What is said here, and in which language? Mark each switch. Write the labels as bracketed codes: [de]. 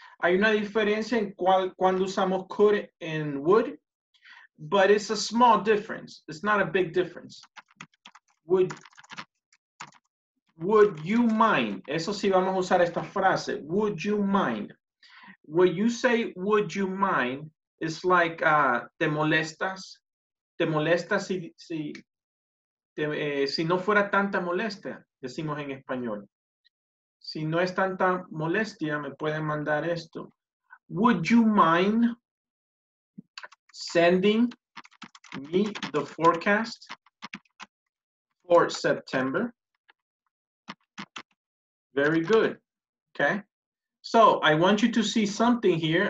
[es] Hay una diferencia en cuando usamos could and would, [en] but it's a small difference. It's not a big difference. Would you mind? [es] Eso sí vamos a usar esta frase. [en] Would you mind? When you say, would you mind, it's like, [es] te molestas. Te molesta si no fuera tanta molestia, decimos en español. Si no es tanta molestia, me pueden mandar esto. [en] Would you mind sending me the forecast for September? Very good. Okay. So, I want you to see something here.